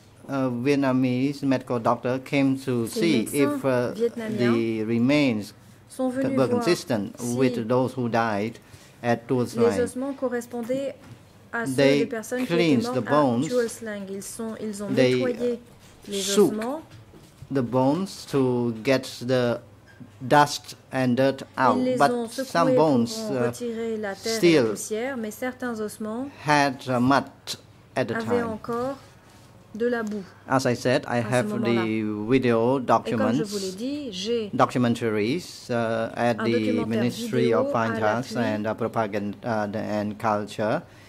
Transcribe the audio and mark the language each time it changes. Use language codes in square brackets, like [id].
[en] Vietnamese medical doctor came to see if the remains were consistent with those who died at Tuol Sleng. [fr] Les ossements correspondaient à ceux des personnes qui étaient mortes à Tuol Sleng. Ils ont nettoyé les ossements. [en] The bones to get the dust and dirt out, but some bones still had mud at the time. [fr] De la boue. [en] As I said, I have the video documents, documentaries at the Ministry of Fine Arts and Propaganda and Culture.